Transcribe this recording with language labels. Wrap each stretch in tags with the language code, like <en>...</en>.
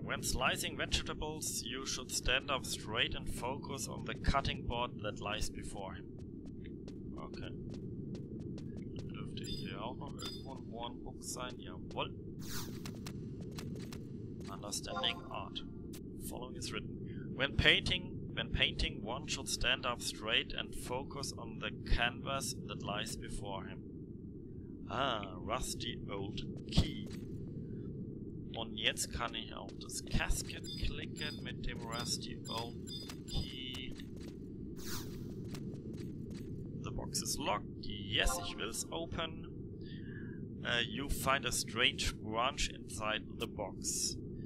<en>When slicing vegetables, you should stand up straight and focus on the cutting board that lies before him. Okay.</en> <de>Dürfte hier auch noch irgendwo ein Warnbook sein? Jawohl.</de> <en>Understanding art. The following is written. When painting, one should stand up straight and focus on the canvas that lies before him. Ah, rusty old key.</en> <de>Und jetzt kann ich auf das Casket klicken mit dem rusty old key.</de> <en>The box is locked. Yes,</en> <de>ich will's</de> <en>open. You find a strange grunge inside the box.</en>